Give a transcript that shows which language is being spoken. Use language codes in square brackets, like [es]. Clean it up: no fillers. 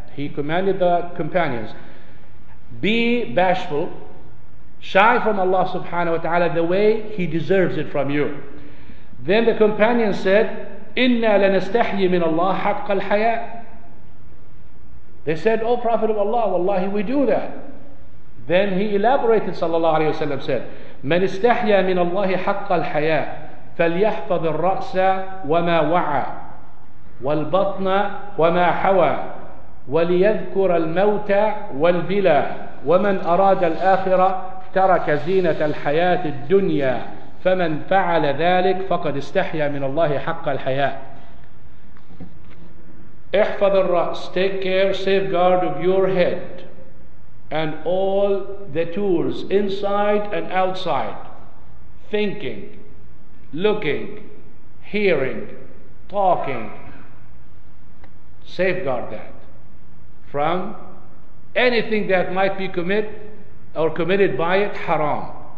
[en] He commanded the companions, be bashful, shy from Allah subhanahu wa ta'ala the way he deserves it from you. Then the companions said, [ar] inna lanastahyi min Allah haqqa al-haya. [en] They said, oh Prophet of Allah, wallahi we do that. Then he elaborated, [ar] sallallahu alayhi wa sallam said, مَنْ اِسْتَحْيَى مِنَ اللَّهِ حَقَّ الْحَيَاءِ فَلْيَحْفَظِ الرَّأْسَ وَمَا وَعَى وَالْبَطْنَ وَمَا حَوَى وَلِيَذْكُرَ الْمَوْتَ وَالْبِلَى وَمَنْ أَرَادَ الْآخِرَةِ تَرَكَ زِينَةَ الْحَيَاةِ الدُّنْيَا فَمَنْ فَعَلَ ذَلِكَ فَقَدْ اِسْتَحْيَى مِنَ اللَّهِ حَقَّ الْحَيَاءِ. اِحْفَظِ الرَّأْسَ, [en] take care, safeguard of your head and all the tools inside and outside, thinking, looking, hearing, talking, safeguard that from anything that might be committed by it, haram.